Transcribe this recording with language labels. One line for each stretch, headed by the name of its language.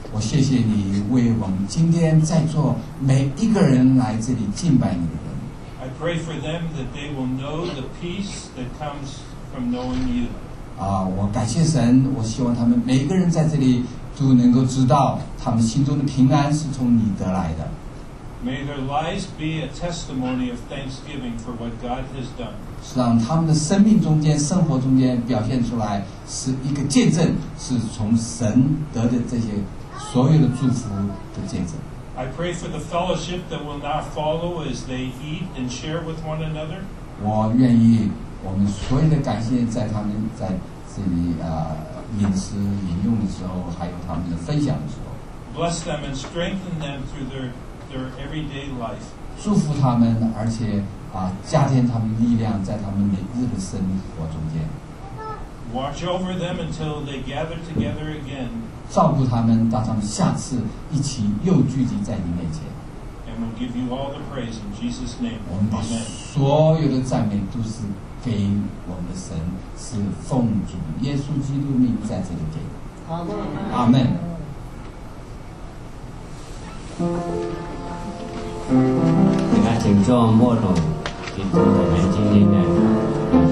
Chinese: 我谢谢你为我们今天在座每一个人来这里敬拜你的人。
English: I pray for them that they will know the peace that comes from knowing you.
Chinese: 啊，我感谢神，我希望他们每个人在这里都能够知道，他们心中的平安是从你得来的。
English: May their lives be a testimony of thanksgiving for what God has done.
Chinese: 是让他们的生命中间、生活中间表现出来是一个见证，是从神得的这些所有的祝福的见证。
English: I pray for the fellowship that will not follow as they eat and share with one another.
Chinese: 我愿意我们所有的感谢在他们在这里饮食饮用的时候，还有他们的分享的时候。
English: Bless them and strengthen them through their everyday life.
Chinese: 祝福他们，而且加添他们力量，在他们每日的生活中间。
English: Watch over them until they gather together again.
Chinese: 照顾他们，到他们下次一起又聚集在你面前。
English: And we'll give you all the praise in Jesus' name.
Chinese: 我们把所有的赞美都是给我们的神，是奉主耶稣基督命在这里给的。阿门。阿门。大家请坐，默诵，听我们今天的圣